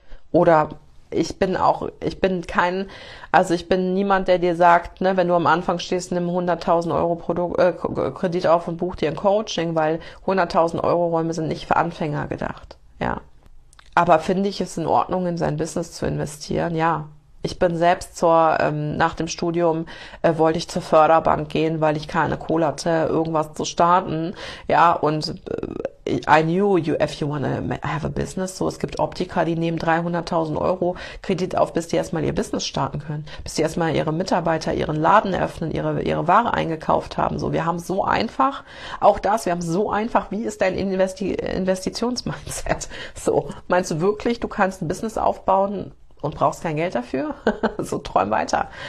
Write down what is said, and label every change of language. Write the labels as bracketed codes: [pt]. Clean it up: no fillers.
[de] Oder ich bin kein, also ich bin niemand, der dir sagt, ne, wenn du am Anfang stehst, nimm 100.000 € Kredit auf und buch dir ein Coaching, weil 100.000 € Räume sind nicht für Anfänger gedacht. Ja. Aber finde ich es in Ordnung, in sein Business zu investieren? Ja. Ich bin selbst nach dem Studium wollte ich zur Förderbank gehen, weil ich keine Kohle hatte, irgendwas zu starten. Ja, und [en] I knew you, if you wanna have a business. [de] So, es gibt Optiker, die nehmen 300.000 € Kredit auf, bis die erstmal ihr Business starten können. Bis die erstmal ihre Mitarbeiter, ihren Laden eröffnen, ihre Ware eingekauft haben. So, wir haben so einfach, auch das, wir haben so einfach, wie ist dein Investitionsmindset? So, meinst du wirklich, du kannst ein Business aufbauen und brauchst kein Geld dafür? So, träum weiter.